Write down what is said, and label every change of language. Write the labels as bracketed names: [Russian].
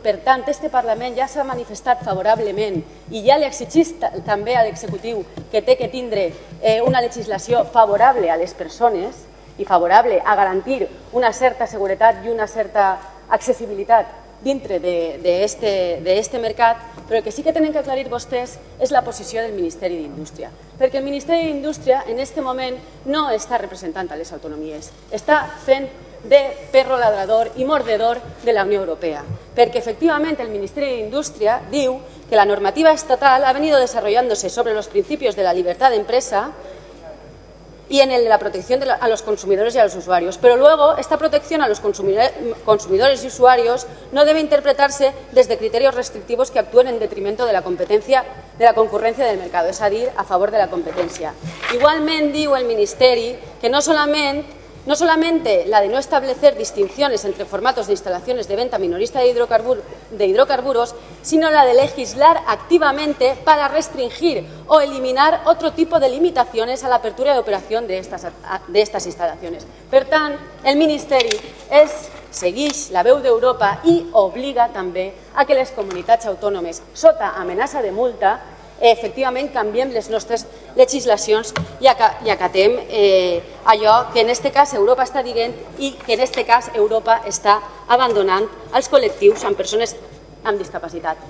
[Catalan] Per tant, este Parlament ja s'ha manifestat favorablement i ja li exigís també a l'executiu que té que tindre una legislació favorable a les persones i favorable a garantir una certa seguretat i una certa accessibilitat dintre d'este mercat, però el que sí que tenen que aclarir vostès és la posició del Ministeri d'Indústria. Perquè el Ministeri d'Indústria en este moment no està representant a les autonomies, està fent de [Spanish] perro ladrador [Catalan] i [Spanish] mordedor [Catalan] de la Unió Europea. Perquè efectivament el Ministeri d'Indústria diu que [Spanish] la normativa estatal ha venido desarrollándose sobre los principios de la libertad de empresa y en la protección a los consumidores y a los usuarios. Pero luego, esta protección a los consumidores y usuarios no debe interpretarse desde criterios restrictivos que actúen en detrimento de la competencia, de la concurrencia del mercado, es decir, a favor de la competencia. Igualmente, digo el Ministerio que no solamente la de no establecer distinciones entre formatos de instalaciones de venta minorista de hidrocarburos, sino la de legislar activamente para restringir o eliminar otro tipo de limitaciones a la apertura y operación de estas instalaciones. [Catalan] Per tant, el Ministeri segueix la veu d'Europa i obliga també a que les comunitats autònomes, sota amenaça de multa, efectivament canviem les nostres legislacions i acatem allò que en aquest cas Europa està dient i que en aquest cas Europa està abandonant els col·lectius amb persones amb discapacitat.